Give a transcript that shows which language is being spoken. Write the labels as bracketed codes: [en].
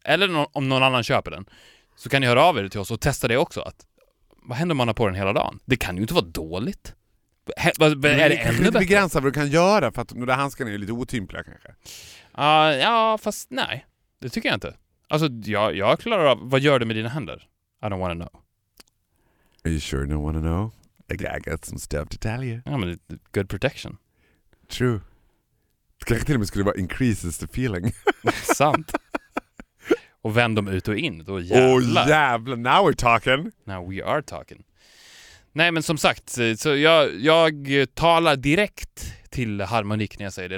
[sv] Eller om någon annan köper den. Så kan ni höra av er till oss och testa det också. Att, vad händer om man har på den hela dagen? Det kan ju inte vara dåligt. Men är det ännu bättre? Begränsa vad du kan göra. För att de där handskarna är lite otympliga kanske. Ja, fast nej. Det tycker jag inte. Alltså, jag klarar av... Vad gör du med dina händer? [en] I don't want to know. Are you sure you don't want to know? I got some stuff to tell you. [sv] Ja, men [en] good protection. True. [sv] Kanske till och med skulle det vara [en] increases the feeling. [sv] Sant. Och vänd dem ut och in. Då [en] jävlar. Oh, jävlar. Now we're talking. Now we are talking. [sv] Nej, men som sagt, så jag talar direkt till harmonik när jag säger det.